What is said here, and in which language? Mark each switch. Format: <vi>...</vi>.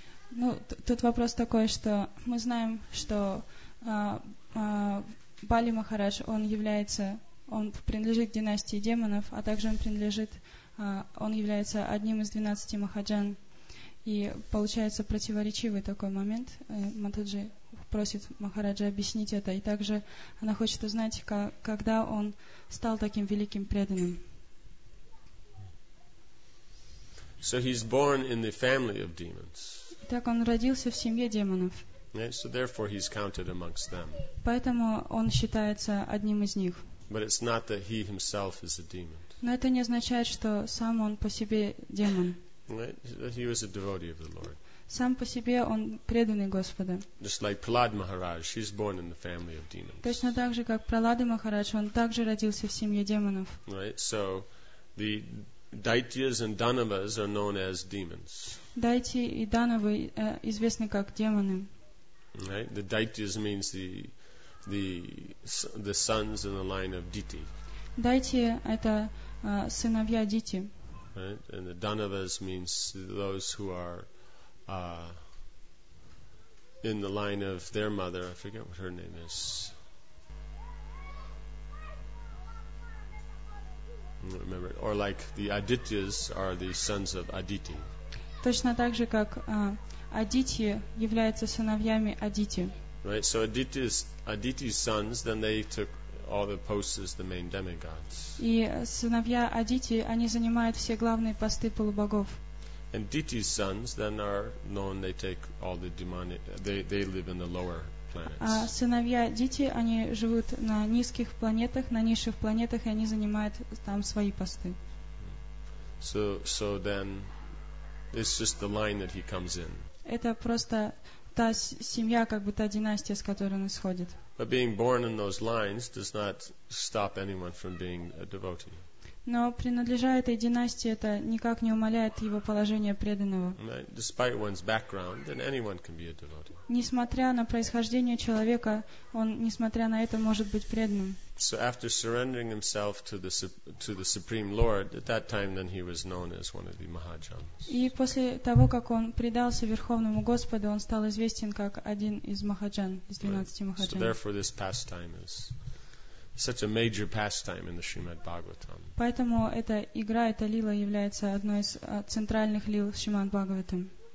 <ru>Ну, тут вопрос такой, что мы знаем, что Бали Махарадж, он является, он принадлежит династии демонов, а также он принадлежит, он является одним из 12 махаджан. И получается противоречивый такой момент. Матаджи просит Махараджа объяснить это. И также она хочет узнать, когда он стал таким великим преданным.</ru> <en>So he's born in the family of demons.</en> <ru>Так он родился в семье демонов.</ru> <en>Yeah, so therefore he's counted amongst them.</en> <ru>Поэтому он считается одним из них.</ru> <en>But it's not that he himself is a demon.</en> <ru>Но это не означает, что сам он по себе демон.</ru> <en>Right? He was a devotee of the Lord.</en> <ru>Сам по себе он преданный Господа.</ru> <en>Just like Prahlad Maharaj, he's born in the family of demons.</en> <ru>Точно так же, как Прохлада Махарадж, он также родился в семье демонов.</ru> <en>Right? So the Daityas and Danavas are known as demons.</en> <ru>Дайти и Данавы известны как демоны.</ru> <en>Right? The Daityas means the sons in the line of Diti.</en> <ru>Дайти это сыновья Дити.</ru> <en>Right? And the Danavas means those who are in the line of their mother. I forget what her name is. Remember, or like the Adityas are the sons of Aditi.</en> <ru>Точно так же, как Адити являются сыновьями Адити.</ru> <en>Right, so Aditi's sons, then they took all the posts as the main demigods.</en> <ru>И сыновья Адити, они занимают все главные посты полубогов.</ru> <en>And Diti's sons then are known, they take all the demonic, they live in the lower planets.</en> <ru>А сыновья Дити, они живут на низких планетах, на низших планетах, и они занимают там свои посты.</ru> <en>So then, it's just the line that he comes in.</en> <ru>Это просто та семья, как бы та династия, с которой он исходит.</ru> <en>But being born in those lines does not stop anyone from being a devotee.</en> <ru>Но принадлежа этой династии, это никак не умаляет его положение преданного.</ru> <en>Despite one's background, then anyone can be a devotee.</en> <ru>Несмотря на происхождение человека, он, несмотря на это, может быть преданным.</ru> <en>So after surrendering himself to the Supreme Lord, at that time then he was known as one of the Mahajans.</en> <ru>И после того, как он предался Верховному Господу, он стал известен как один из Махаджан, из 12 Махаджан.</ru> <en>So therefore this pastime is such a major pastime in the Srimad Bhagavatam.</en> <ru>Поэтому эта игра, эта лила является одной из центральных лил в Шримад Бхагаватам.</ru>